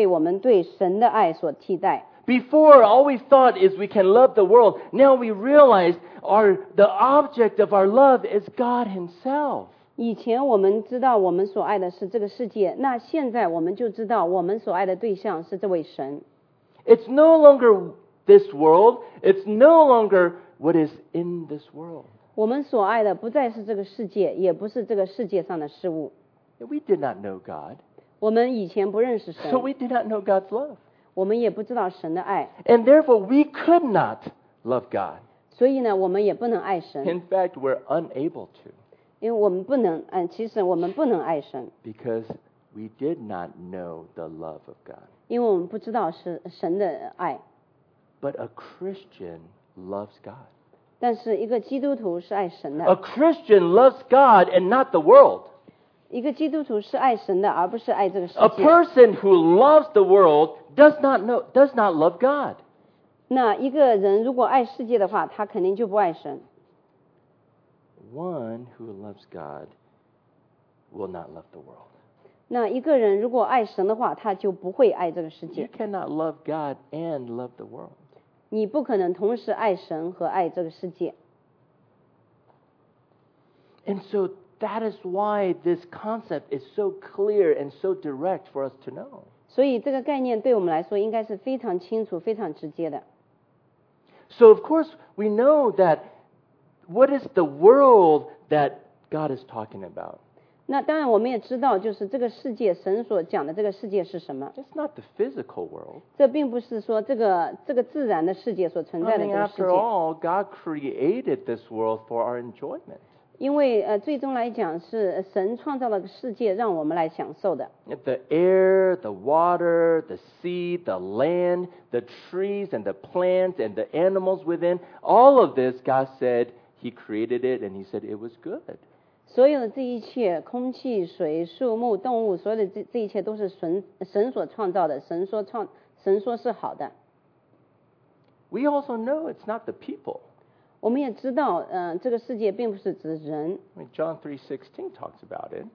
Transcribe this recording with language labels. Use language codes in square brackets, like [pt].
[zh] 因为现在就是我们对这个世界的爱，正在被我们对神的爱所替代。 [en] Before, all we thought is we can love the world. Now we realize the object of our love is God Himself. [zh] 以前我们知道我们所爱的是这个世界，那现在我们就知道我们所爱的对象是这位神。 [en] It's no longer this world. It's no longer what is in this world. [zh] 我们所爱的不再是这个世界，也不是这个世界上的事物。 [en] We did not know God. [zh] 我们以前不认识神。 [en] So we did not know God's love. [zh] 我们也不知道神的爱。 [en] And therefore, we could not love God. [zh] 所以呢，我们也不能爱神。 [en] In fact, we're unable to. [zh] 因为我们不能，嗯，其实我们不能爱神。 [en] Because we did not know the love of God. [zh] 因为我们不知道是神的爱。 [en] But a Christian loves God. [zh] 但是一个基督徒是爱神的。 [en] A Christian loves God and not the world. [zh] 一个基督徒是爱神的，而不是爱这个世界。 [en] A person who loves the world does not love God. [zh] 那一个人如果爱世界的话，他肯定就不爱神。 [en] One who loves God will not love the world. [zh] 那一个人如果爱神的话，他就不会爱这个世界。 [en] You cannot love God and love the world. [zh] 你不可能同时爱神和爱这个世界。 [en] And so that is why this concept is so clear and so direct for us to know. [zh] 所以这个概念对我们来说应该是非常清楚，非常直接的。 [en] So of course we know that what is the world that God is talking about? [zh] 那当然我们也知道就是这个世界神所讲的这个世界是什么。 [en] It's not the physical world. [zh] 这并不是说这个自然的世界所存在的这个世界。 [en] I mean, after all, God created this world for our enjoyment. [zh] 因为最终来讲是神创造了世界让我们来享受的。 [en] The air, the water, the sea, the land, the trees and the plants and the animals within, all of this, God said, He created it and He said it was good. [zh] 所有的这一切，空气、水、树木、动物，所有的这一切都是神所创造的。神说是好的。 [en] We also know it's not the people. [zh] 我们也知道，这个世界并不是指人。 [en] I mean, John 3:16 talks about it.